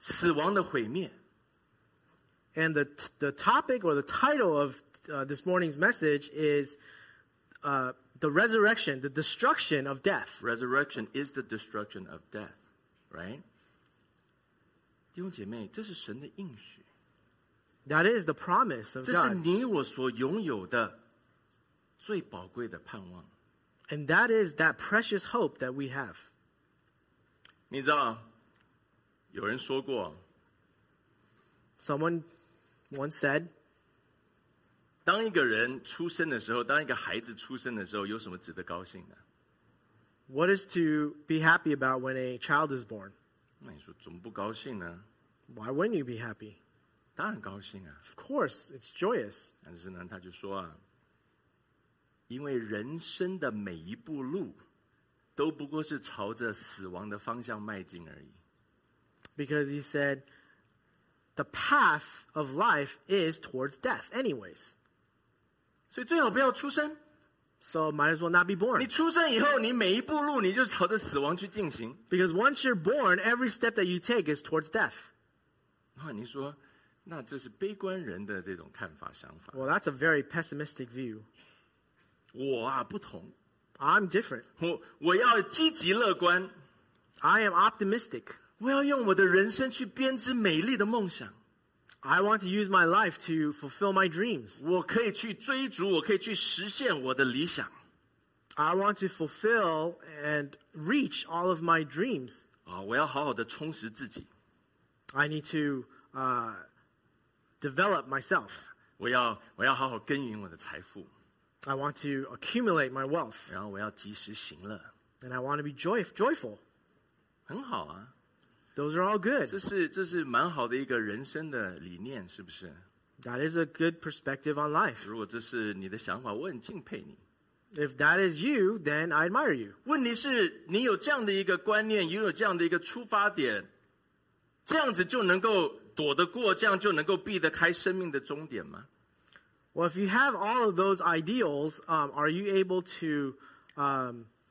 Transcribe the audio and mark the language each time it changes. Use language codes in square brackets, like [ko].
[zh] 死亡的毁灭。 [en] And the topic or the title of this morning's message is the resurrection, the destruction of death. Resurrection is the destruction of death, right? [zh] 弟兄姐妹，这是神的应许。 [en] That is the promise of God. [zh] 这是你我所拥有的最宝贵的盼望。 [en] And that is that precious hope that we have. [zh] 你知道，有人说过。 [en] Someone once said, [zh] 当一个人出生的时候，当一个孩子出生的时候，有什么值得高兴的？ [en] What is to be happy about when a child is born? [zh] 那你说怎么不高兴呢？ [en] Why wouldn't you be happy? [zh] 当然高兴啊。 [en] Of course, it's joyous. [zh] 但是呢，他就说啊，因为人生的每一步路都不过是朝着死亡的方向迈进而已。 [en] Because he said, the path of life is towards death anyways. [zh] 所以最好不要出生。 [en] So might as well not be born. [zh] 你出生以后，你每一步路你就朝着死亡去进行。 [en] Because once you're born, every step that you take is towards death. [zh] 那你说，那这是悲观人的这种看法想法。 [en] Well, that's a very pessimistic view. [zh] 我啊，不同。 [en] I'm different. [zh] 我要积极乐观。 [en] I am optimistic. [zh] 我要用我的人生去编织美丽的梦想。 [en] I want to use my life to fulfill my dreams. [zh] 我可以去追逐，我可以去实现我的理想。 [en] I want to fulfill and reach all of my dreams. [zh] 我要好好的充实自己。 [en] I need to develop myself. [zh] 我要好好耕耘我的财富。 [en] I want to accumulate my wealth. [zh] 然后我要及时行乐。 [en] And I want to be joyful. [zh] 很好啊。 [en] Those are all good. [zh] 这是蛮好的一个人生的理念，是不是？ [en] That is a good perspective on life. [zh] 如果这是你的想法，我很敬佩你。 [en] If that is you, then I admire you. [zh] 问题是，你有这样的一个观念，拥有这样的一个出发点，这样子就能够躲得过，这样就能够避得开生命的终点吗？ [en] Well, if you have all of those ideals, are you able to avoid?